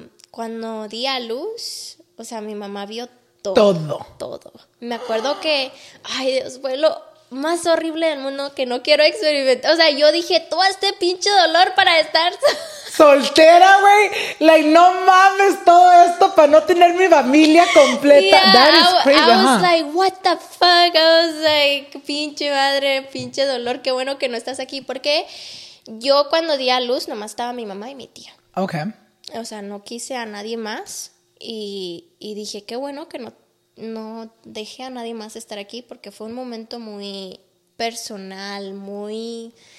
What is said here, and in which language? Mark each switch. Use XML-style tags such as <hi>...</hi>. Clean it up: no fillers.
<es>Cuando di a luz, o sea, mi mamá vio todo. Me acuerdo que, ay Dios, fue lo más horrible del mundo que no quiero experimentar. O sea, yo dije, todo este pinche dolor para estar soltera, güey. Like, no mames, todo esto para no tener mi familia completa.</es> <en>Yeah, that is crazy. I was like, what the fuck? I was like,</en> <es>pinche madre, pinche dolor. Qué bueno que no estás aquí. Porque yo cuando di a luz, nomás estaba mi mamá y mi tía. Ok. O sea, no quise a nadie más. Y dije, qué bueno que no dejé a nadie más estar aquí, porque fue un momento muy personal, muy</es>